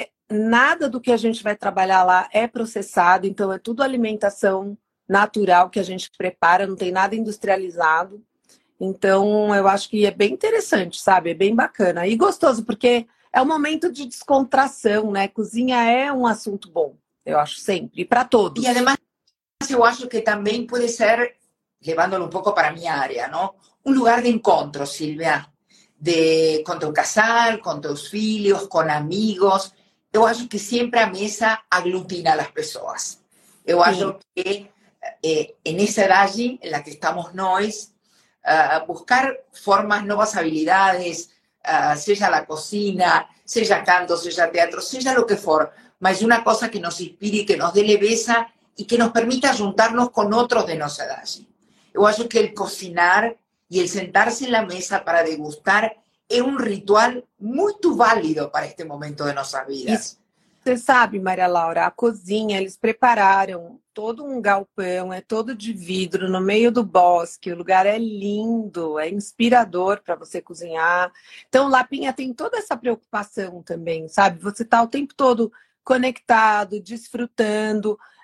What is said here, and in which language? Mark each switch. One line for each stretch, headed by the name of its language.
Portuguese: Nada do que a gente vai trabalhar lá é processado, então é tudo alimentação natural que a gente prepara, não tem nada industrializado. Então eu acho que é bem interessante, sabe? É bem bacana e gostoso, porque é um momento de descontração, né? Cozinha é um assunto bom, eu acho, sempre, e para todos. E, además, eu acho que também pode ser...
Spanish: llevándolo un poco para mi área, ¿no? Un lugar de encuentro, Silvia, con tu casal, con tus hijos, con amigos. Yo creo que siempre a mesa aglutina a las personas. Yo creo que en esa edad en la que estamos nosotros, buscar formas, nuevas habilidades, sea la cocina, sea canto, sea teatro, sea lo que for, más una cosa que nos inspire, que nos dé leveza y que nos permita juntarnos con otros de nuestra edad. Yo creo que el cocinar y el sentarse en la mesa para degustar es un ritual muy válido para este momento de nuestras vidas.
Portuguese: Você sabe, Maria Laura, a cozinha, eles prepararam todo um galpão, é todo de vidro, no meio do bosque, o lugar é lindo, é inspirador para você cozinhar. Então, Lapinha tem toda essa preocupação também, sabe? Você está o tempo todo conectado, desfrutando.